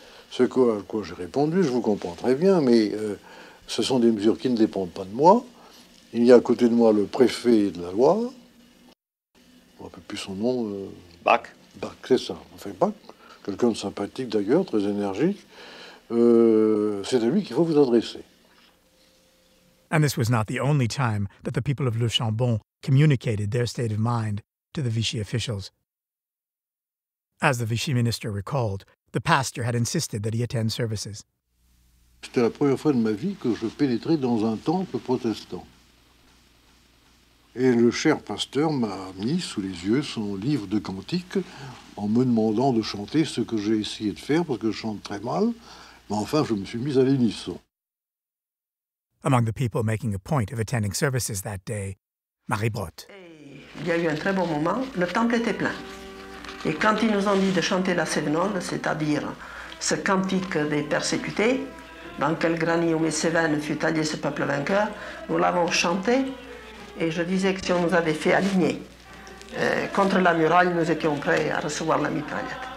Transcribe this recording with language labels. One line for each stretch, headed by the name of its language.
French: Ce à quoi j'ai répondu, je vous comprends très bien, mais ce sont des mesures qui ne dépendent pas de moi. Il y a à côté de moi le préfet de la loi, je ne me rappelle plus son nom. Bach. Bach, c'est ça. Enfin, Bach, quelqu'un de sympathique d'ailleurs, très énergique. C'est à lui qu'il faut vous adresser.
English: And this was not the only time that the people of Le Chambon communicated their state of mind to the Vichy officials. As the Vichy minister recalled, the pastor had insisted that he attend services.
French: C'était la première fois de ma vie que je pénétrais dans un temple protestant. Et le cher pasteur m'a mis sous les yeux son livre de cantiques en me demandant de chanter ce que j'ai essayé de faire parce que je chante très mal. Mais enfin, je me suis mis à l'unisson.
English: Among the people making a point of attending services that day, Marie Brotte.
French: Il y a eu un très bon moment. Le temple était plein. Et quand ils nous ont dit de chanter la sévenole, c'est-à-dire ce cantique des persécutés, dans quel granit aux Cévennes fut taillé ce peuple vainqueur, nous l'avons chanté. Et je disais que si on nous avait fait aligner contre la muraille, nous étions prêts à recevoir la mitraillette.